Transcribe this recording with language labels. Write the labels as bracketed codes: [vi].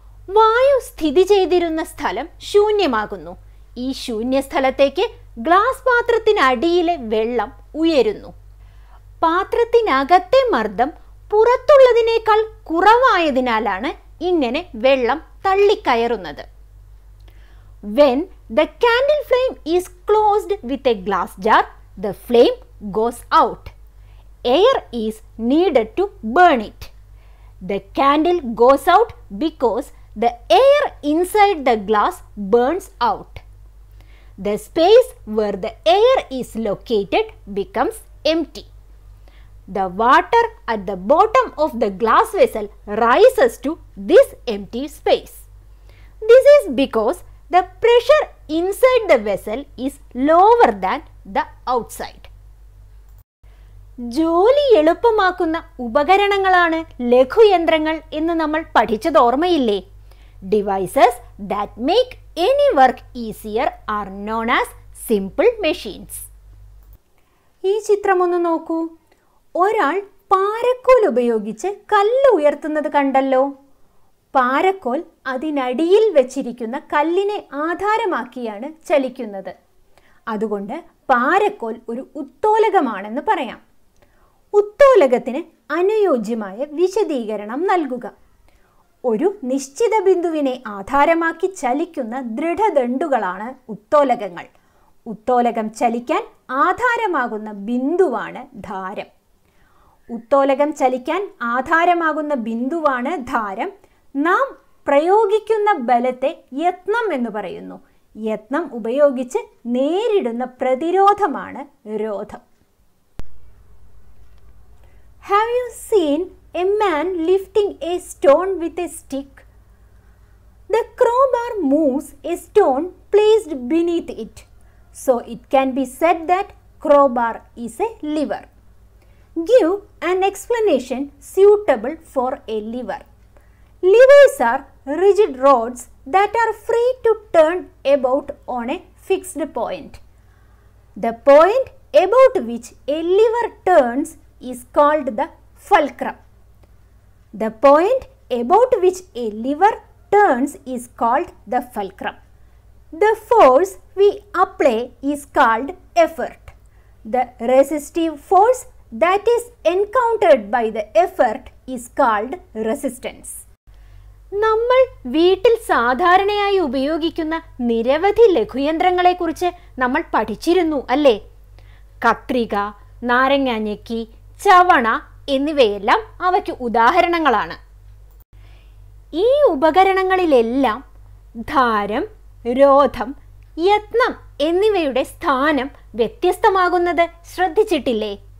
[ml] വായു സ്ഥിതി ചെയ്തിരുന്ന സ്ഥലം ശൂന്യമാകുന്നു. ഈ ശൂന്യസ്ഥലത്തേക്ക് ഗ്ലാസ് പാത്രത്തിനടിയിലെ വെള്ളം ഉയരുന്നു. പാത്രത്തിനകത്തെ മർദ്ദം പുറത്തുള്ളതിനേക്കാൾ കുറവായതിനാലാണ് ഇങ്ങനെ വെള്ളം തള്ളിക്കയറുന്നത്. [en] When the candle flame is closed with a glass jar, the flame goes out. Air is needed to burn it. The candle goes out because the air inside the glass burns out. The space where the air is located becomes empty. The water at the bottom of the glass vessel rises to this empty space. This is because the pressure inside the vessel is lower than the outside. [ml] ജോലി എളുപ്പമാക്കുന്ന ഉപകരണങ്ങളാണ് ലഘുയന്ത്രങ്ങൾ എന്ന് നമ്മൾ പഠിച്ചത് ഓർമ്മയില്ലേ? [en] Devices that make any work easier are known as simple machines. [ml] ഈ ചിത്രം ഒന്ന് നോക്കൂ. ഒരാൾ പാരക്കോൽ ഉപയോഗിച്ച് കല്ല് ഉയർത്തുന്നത് കണ്ടല്ലോ. പാരക്കോൽ അതിനടിയിൽ വച്ചിരിക്കുന്ന കല്ലിനെ ആധാരമാക്കിയാണ് ചലിക്കുന്നത്. അതുകൊണ്ട് പാരക്കോൽ ഒരു ഉത്തോലകമാണെന്ന് പറയാം. ഉത്തോലകത്തിന് അനുയോജ്യമായ വിശദീകരണം നൽകുക. ഒരു നിശ്ചിത ബിന്ദുവിനെ ആധാരമാക്കി ചലിക്കുന്ന ദൃഢദണ്ഡുകളാണ് ഉത്തോലകങ്ങൾ. ഉത്തോലകം ചലിക്കാൻ ആധാരമാകുന്ന ബിന്ദുവാണ് ധാരം. ഉത്തോലകം ചലിക്കാൻ ആധാരമാകുന്ന ബിന്ദുവാണ് ധാരം. നാം പ്രയോഗിക്കുന്ന ബലത്തെ യത്നം എന്ന് പറയുന്നു. യത്നം ഉപയോഗിച്ച് നേരിടുന്ന പ്രതിരോധമാണ് രോധം. [en] Have you seen a man lifting a stone with a stick? The crowbar moves a stone placed beneath it. So it can be said that crowbar is a lever. Give an explanation suitable for a lever. Levers are rigid rods that are free to turn about on a fixed point. The point about which a lever turns is called the fulcrum. The point about which a lever turns is called the fulcrum. The force we apply is called effort. The resistive force that is encountered by the effort is called resistance. [ml] നമ്മൾ വീട്ടിൽ സാധാരണയായി ഉപയോഗിക്കുന്ന നിരവധി ലഘുയന്ത്രങ്ങളെക്കുറിച്ച് നമ്മൾ പഠിച്ചിരുന്നു അല്ലേ? കത്രിക, നാരങ്ങാഞ്ഞക്കി, ചവണ എന്നിവയെല്ലാം അവയ്ക്ക് ഉദാഹരണങ്ങളാണ്. ഈ ഉപകരണങ്ങളിലെല്ലാം ധാരം, രോധം, യത്നം എന്നിവയുടെ സ്ഥാനം വ്യത്യസ്തമാകുന്നത് ശ്രദ്ധിച്ചിട്ടില്ലേ?